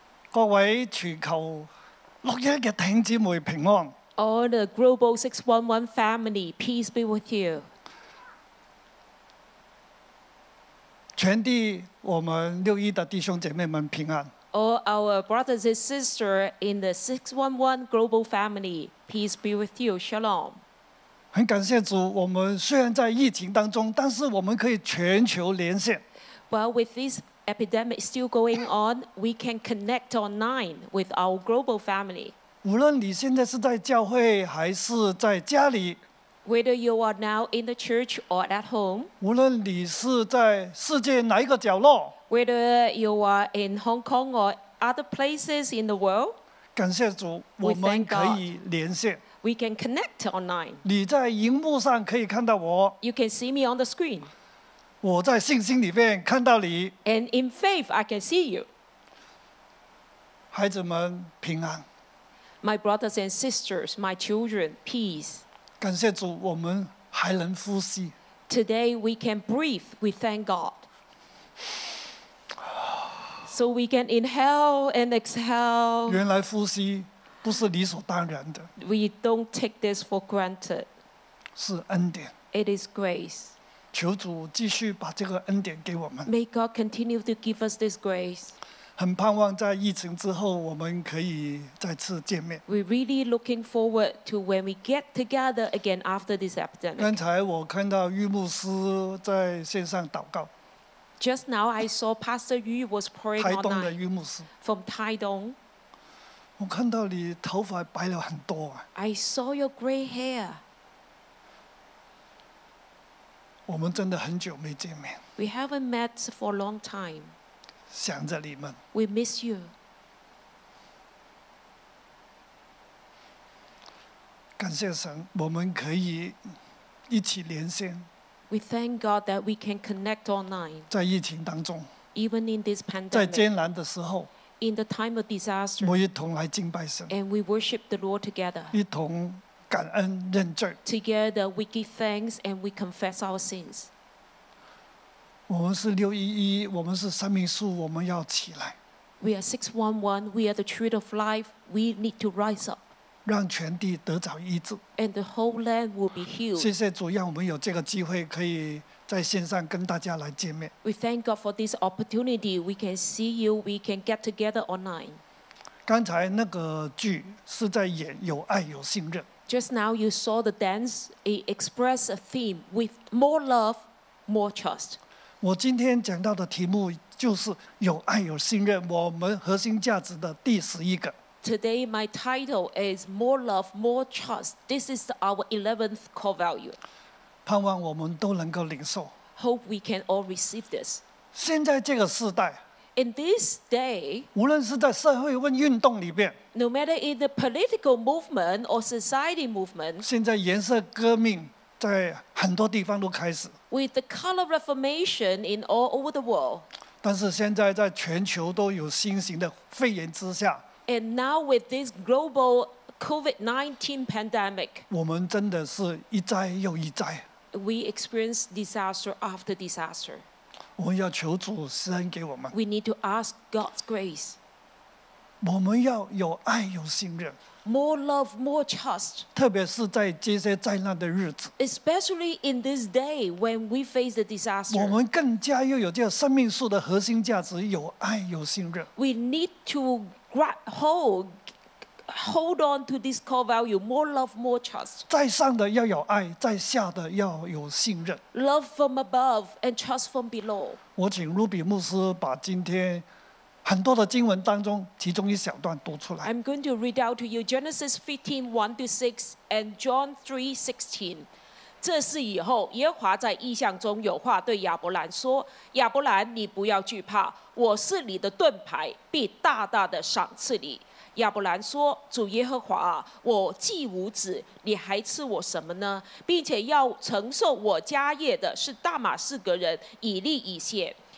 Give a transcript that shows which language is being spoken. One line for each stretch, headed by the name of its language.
Chinese: 各位全球六一的弟兄姊妹平安。
English: All the global 611 family, peace be with you.
Chinese: 全地我们六一的弟兄姐妹们平安。
English: All our brothers and sisters in the 611 global family, peace be with you.
Hebrew: Shalom.
Chinese: 很感谢主，我们虽然在疫情当中，但是我们可以全球连线。
English: Well, with this epidemic still going on, we can connect online with our global family.
Chinese: 无论你现在是在教会还是在家里，
English: whether you are now in the church or at home,
Chinese: 无论你是在世界哪一个角落，
English: whether you are in Hong Kong or other places in the world,
Chinese: 感谢主，我们可以连线。
English: We can connect online.
Chinese: 你在荧幕上可以看到我。
English: You can see me on the screen.
Chinese: 我在信心里面看到你。
English: And in faith, I can see you.
Chinese: 孩子们平安。
English: My brothers and sisters, my children, peace.
Chinese: 感谢主，我们还能呼吸。
English: Today we can breathe. We thank God. So we can inhale and exhale.
Chinese: 原来呼吸不是理所当然的。
English: We don't take this for granted.
Chinese: 是恩典。
English: It is grace.
Chinese: 求主继续把这个恩典给我们。
English: May God continue to give us this grace.
Chinese: 很盼望在疫情之后我们可以再次见面。
English: We're really looking forward to when we get together again after this epidemic.
Chinese: 刚才我看到玉牧师在线上祷告。
English: Just now I saw Pastor Yu was praying online.
Chinese: 台东的玉牧师。
English: From Taidong.
Chinese: 我看到你头发白了很多啊。
English: I saw your gray hair.
Chinese: 我们真的很久没见面。
English: We haven't met for a long time.
Chinese: 想着你们。
English: We miss you.
Chinese: 感谢神，我们可以一起连线。
English: We thank God that we can connect online.
Chinese: 在疫情当中。
English: Even in this pandemic.
Chinese: 在艰难的时候。
English: In the time of disaster,
Chinese: 我一同来敬拜神,
English: and we worship the Lord together.
Chinese: 一同感恩认罪,
English: together we give thanks and we confess our sins.
Chinese: 我们是六一一, 我们是生命树, 我们要起来。
English: We are 611, we are the tree of life, we need to rise up.
Chinese: 让全地得着医治,
English: and the whole land will be healed.
Chinese: 谢谢主让我们有这个机会可以在线上跟大家来见面。
English: We thank God for this opportunity. We can see you. We can get together online.
Chinese: 刚才那个剧是在演有爱有信任。
English: Just now you saw the dance. It expressed a theme with more love, more trust.
Chinese: 我今天讲到的题目就是有爱有信任，我们核心价值的第十一个。
English: Today my title is more love, more trust. This is our 11th core value.
Chinese: 盼望我们都能够领受。
English: Hope we can all receive this.
Chinese: 现在这个时代，
English: In this day,
Chinese: 无论是在社会运动里面，
English: No matter in the political movement or society movement,
Chinese: 现在颜色革命在很多地方都开始，
English: With the color reformation in all over the world,
Chinese: 但是现在在全球都有新型的肺炎之下，
English: And now with this globalCOVID-19 pandemic.
Chinese: 我们真的是一灾又一灾。
English: We experience disaster after disaster.
Chinese: 我们要求主施恩给我们。
English: We need to ask God's grace.
Chinese: 我们要有爱有信任。
English: More love, more trust.
Chinese: 特别是在这些灾难的日子。
English: Especially in this day when we face the disaster.
Chinese: 我们更加又有这个生命树的核心价值，有爱有信任。
English: We need to grab hold on to this core value, more love, more trust.
Chinese: 在上的要有爱，在下的要有信任。
English: Love from above and trust from below.
Chinese: 我请 Ruby 牧师把今天很多的经文当中其中一小段读出来。
English: I'm going to read out to you Genesis 15, 1-6 and John 3, 16.
Chinese: 这事以后，耶和华在异象中有话对亚伯兰说，亚伯兰，你不要惧怕，我是你的盾牌，必大大的赏赐你。亚伯兰说，主耶和华啊，我既无子，你还赐我什么呢？并且要承受我家业的是大马士革人以利以谢。